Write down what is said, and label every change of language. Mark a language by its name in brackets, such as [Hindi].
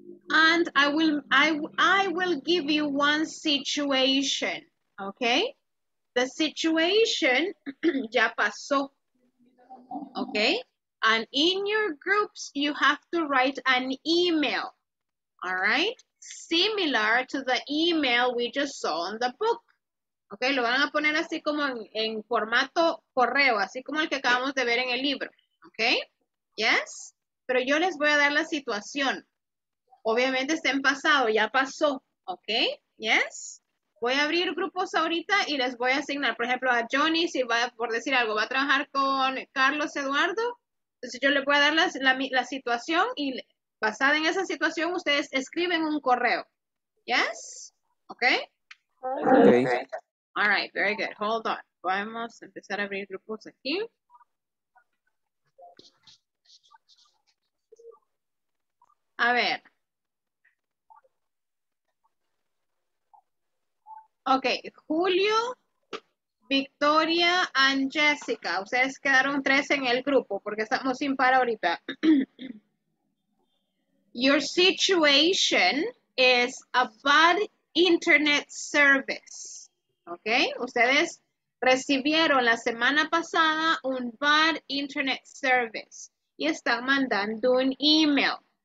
[English] And I will give you one situation, okay? The situation [Spanish] ya pasó, [English] okay? And in your groups, you have to write an email, all right? Similar to the email we just saw on the book. [Spanish] Okay, lo van a poner así como en formato correo, así como el que acabamos de ver en el libro. [English] Okay, yes. [Spanish] Pero yo les voy a dar la situación. Obviamente está en pasado, ya pasó. [English] Okay, yes. [Spanish] Voy a abrir grupos ahorita y les voy a asignar, por ejemplo, a Johnny, si va, por decir algo, va a trabajar con Carlos Eduardo. Entonces yo les voy a dar la situación y... Basada en esa situación, ustedes escriben un correo. [English] Yes? Okay? Okay. All right, very good. Hold on. [Spanish] Vamos a empezar a abrir grupos aquí. A ver. [English] Okay, Julio, Victoria, and Jessica. [Spanish] Ustedes quedaron tres en el grupo porque estamos sin par ahorita. [English] Your situation is a bad internet service, okay? [Spanish] Ustedes recibieron la semana pasada un [English] bad internet service [Spanish] y están mandando un email.